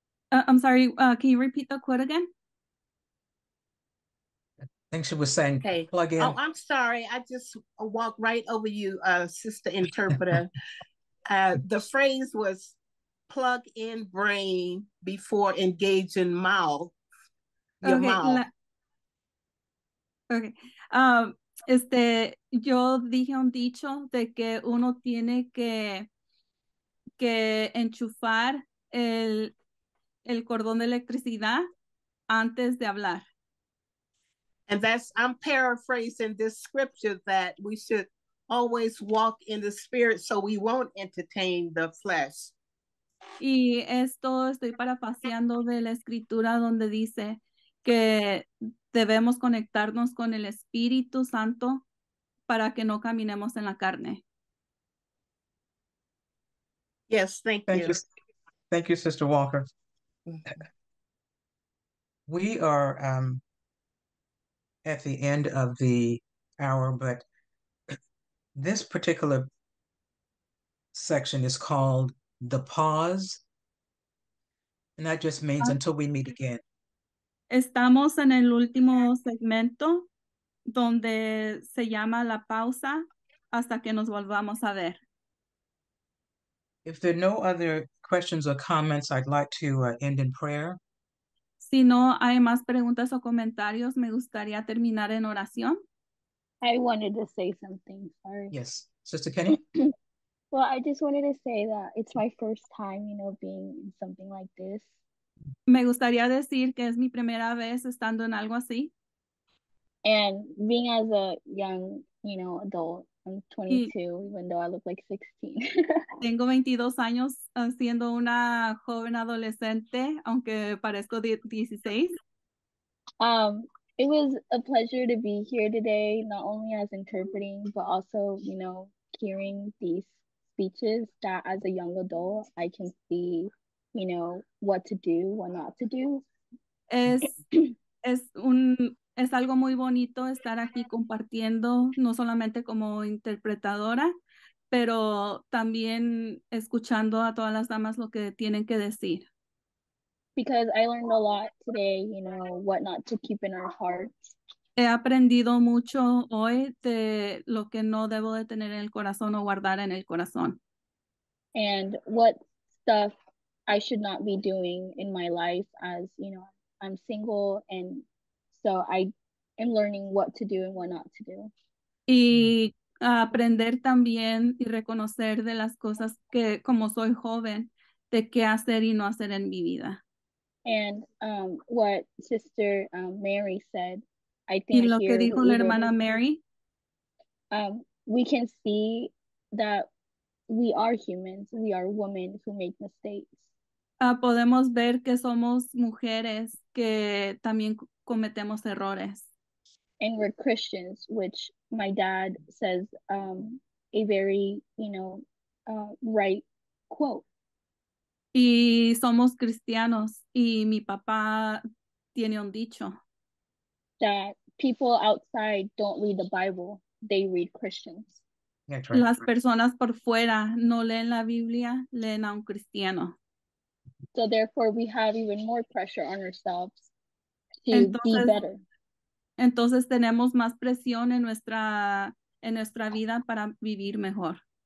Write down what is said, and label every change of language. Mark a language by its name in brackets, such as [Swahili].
[English] I'm sorry, can you repeat the quote again? I think she was saying okay. Plug in. Oh, I'm sorry. I just walked right over you, Sister Interpreter. the phrase was plug in brain before engaging mouth. [Spanish] Yo dije un dicho de que uno tiene que enchufar el cordón de electricidad antes de hablar. [English] And that's, I'm paraphrasing this scripture that we should always walk in the spirit so we won't entertain the flesh. [Spanish] Y esto estoy parafraseando de la escritura donde dice que debemos conectarnos con el Espíritu Santo para que no caminemos en la carne. [English] Yes, thank you. Thank you, Sister Walker. We are... at the end of the hour, but this particular section is called the pause, and that just means until we meet again. [Spanish] Estamos en el último segmento donde se llama la pausa hasta que nos volvamos a ver. [English] If there are no other questions or comments, I'd like to end in prayer. [Spanish] Si no hay más preguntas o comentarios, me gustaría terminar en oración. [English] I wanted to say something, sorry. Yes, Sister Kenny. Well, I just wanted to say that it's my first time, you know, being in something like this. [Spanish] Me gustaría decir que es mi primera vez estando en algo así. [English] And being as a young, you know, adult, I'm 22, even though I look like 16. [Spanish] Tengo 22 años siendo una joven adolescente, aunque parezco 16. [English] It was a pleasure to be here today, not only as interpreting, but also, you know, hearing these speeches that as a young adult, I can see, you know, what to do, what not to do. [Spanish] Es un Es algo muy bonito estar aquí compartiendo, no solamente como interpretadora, pero también escuchando a todas las damas lo que tienen que decir. [English] Because I learned a lot today, you know, what not to keep in our hearts. [Spanish] He aprendido mucho hoy de lo que no debo de tener en el corazón o guardar en el corazón. [English] And what stuff I should not be doing in my life, as you know, I'm single and so I am learning what to do and what not to do. [Spanish] Y aprender también y reconocer de las cosas que, como soy joven, de qué hacer y no hacer en mi vida. [English] And what Sister Mary said, I think. [Spanish] Y lo que dijo la hermana Mary. [English] We can see that we are humans. We are women who make mistakes. [Spanish] Podemos ver que somos mujeres que también cometemos errores. [English] And we're Christians, which my dad says a very, you know, right quote. [Spanish] Y somos cristianos, y mi papá tiene un dicho. [English] That people outside don't read the Bible, they read Christians. That's right. [Spanish] Las personas por fuera no leen la Biblia, leen a un cristiano. [English] So therefore we have even more pressure on ourselves to be better. [Spanish] Entonces tenemos más presión en nuestra vida para vivir mejor.